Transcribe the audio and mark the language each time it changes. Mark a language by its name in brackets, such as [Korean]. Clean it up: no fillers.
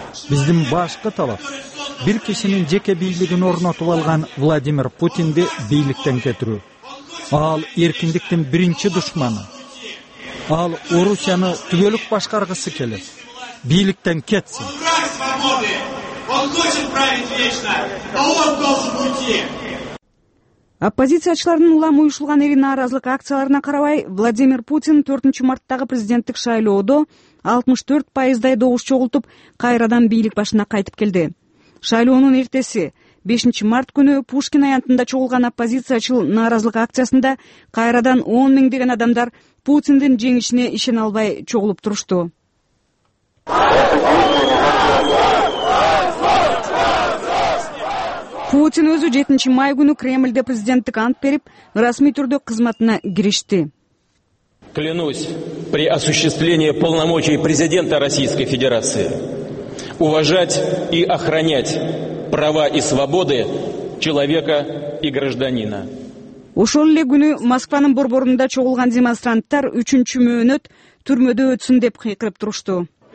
[Kyrgyz] Биздин башкы талап бир кишинин жеке бийлигин орнотуп алган Владимир Путинди бийликтен кетирүү. Ал эркиндиктин биринчи душманы. Ал Орусияны түгөлүк башкаргысы келет. Бийликтен кетсин. [Russian] Он хочет править вечно, а он должен уйти. [Kyrgyz] Оппозициячылардын улам уюшулган ири нааразылык акцияларына карабай, Владимир Путин 4 марттагы президенттик шайлоодо 64% добуш чогултуп, кайрадан бийлик башына кайтып келди. Шайлоонун эртеси 5 март күнү Пушкин аянтында чогулган оппозициячыл нааразылык акциясында кайрадан 10,000 деген адамдар Путиндин жеңишине ишене албай чогулуп турушту. Путин өзү 7 май күнү Кремльде президенттик ант берип, расмий түрдө кызматына киришти. [Russian] Клянусь при осуществлении полномочий президента Российской Федерации уважать и охранять права и свободы человека и гражданина. [Kyrgyz] Ошол эле күнү Москванын борборунда чогулган демонстранттар 3-чү мөөнөт түрмөдө өтсүн деп кыйкырып турушту.